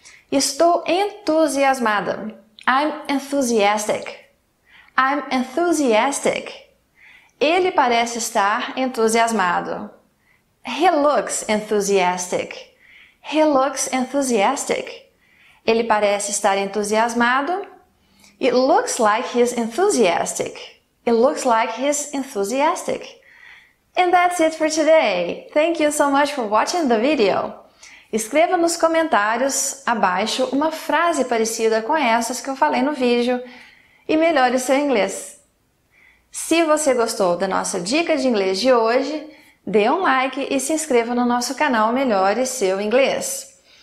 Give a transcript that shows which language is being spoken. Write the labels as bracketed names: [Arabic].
[Portuguese] Estou entusiasmada. [English] I'm enthusiastic. I'm enthusiastic. [Portuguese] Ele parece estar entusiasmado. [English] He looks enthusiastic. He looks enthusiastic. [Portuguese] Ele parece estar entusiasmado. [English] It looks like he's enthusiastic. It looks like he's enthusiastic. And that's it for today. Thank you so much for watching the video. [Portuguese] Escreva nos comentários abaixo uma frase parecida com essas que eu falei no vídeo e melhore seu inglês. Se você gostou da nossa dica de inglês de hoje, dê um like e se inscreva no nosso canal Melhore Seu Inglês.